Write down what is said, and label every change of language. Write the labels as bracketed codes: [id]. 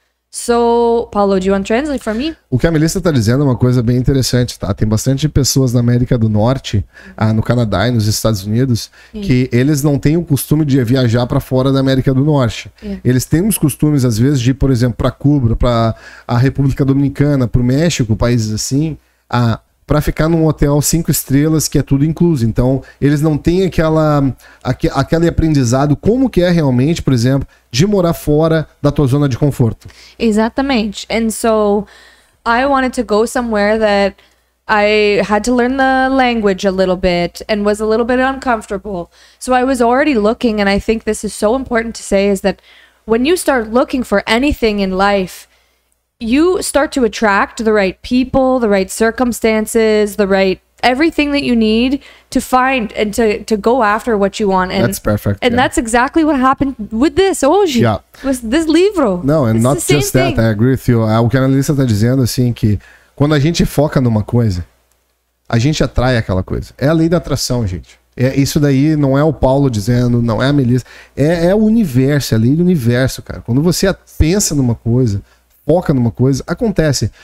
[en] So, Paulo, do you want to translate for me? [pt] O que a Melissa tá dizendo é uma coisa bem interessante, tá? Tem bastante pessoas na América do Norte, no Canadá e nos Estados Unidos, que eles não têm o costume de viajar para fora da América do Norte. Eles têm os costumes, às vezes, de ir, por exemplo, para Cuba, para a República Dominicana, para o México, países assim, para ficar num hotel 5 estrelas, que é tudo incluso. Então, eles não têm aquele aprendizado, como que é realmente, por exemplo, de morar fora da tua zona de conforto. Exatamente. [en] And so, I wanted to go somewhere that I had to learn the language a little bit and was a little bit uncomfortable. So, I was already looking, and I think this is so important to say, is that when you start looking for anything in life, you start to attract the right people, the right circumstances, the right everything that you need to find and to go after what you want. And that's perfect. And that's exactly what happened with this hoje. Yeah. With this livro. No, and not just that. I agree with you. [pt] O que a Melissa está dizendo, assim, que quando a gente foca numa coisa, a gente atrai aquela coisa. É a lei da atração, gente. É isso daí, não é o Paulo dizendo, não é a Melissa. É o universo, é a lei do universo, cara. Quando você pensa numa coisa, foca numa coisa, acontece.